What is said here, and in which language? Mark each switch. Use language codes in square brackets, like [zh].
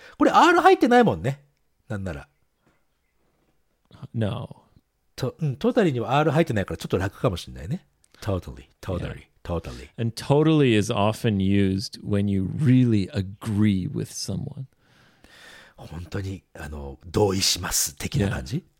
[ja] これ R 入ってないもんね。なんなら。 [en] No. [ja] Totally には R 入ってないからちょっと楽かもしれないね。 [en] Totally. Totally.、Yeah. Totally. And totally is often used when you really agree with someone. [ja] 本当に、あの、同意します的な感じ?